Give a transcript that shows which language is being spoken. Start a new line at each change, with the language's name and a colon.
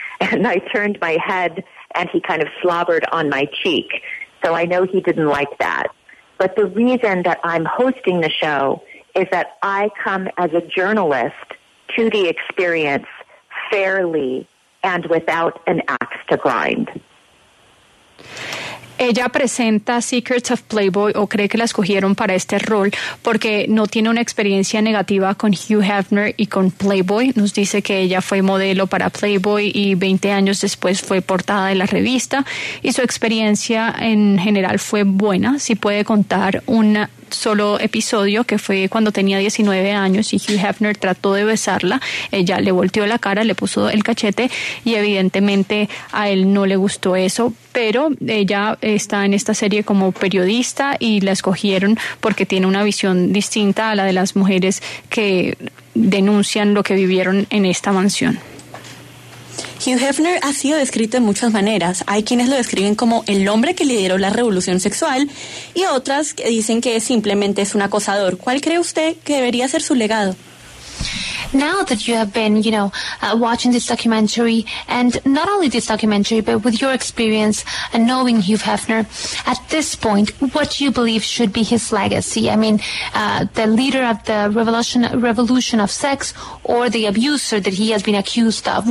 English: And I turned my head and he kind of slobbered on my cheek. So I know he didn't like that. But the reason that I'm hosting the show is that I come as a journalist to the experience fairly and without an axe to grind.
Spanish: Ella presenta Secrets of Playboy o cree que la escogieron para este rol porque no tiene una experiencia negativa con Hugh Hefner y con Playboy. Nos dice que ella fue modelo para Playboy y 20 años después fue portada de la revista y su experiencia en general fue buena. Si puede contar un solo episodio que fue cuando tenía 19 años y Hugh Hefner trató de besarla, ella le volteó la cara, le puso el cachete y evidentemente a él no le gustó eso. Pero ella está en esta serie como periodista y la escogieron porque tiene una visión distinta a la de las mujeres que denuncian lo que vivieron en esta mansión. Hugh Hefner ha sido descrito de muchas maneras. Hay quienes lo describen como el hombre que lideró la revolución sexual y otras que dicen que simplemente es un acosador. ¿Cuál cree usted que debería ser su legado?
English: Now that you have been, watching this documentary, and not only this documentary, but with your experience and knowing Hugh Hefner, at this point, what do you believe should be his legacy? I mean, the leader of the revolution of sex, or the abuser that he has been accused of?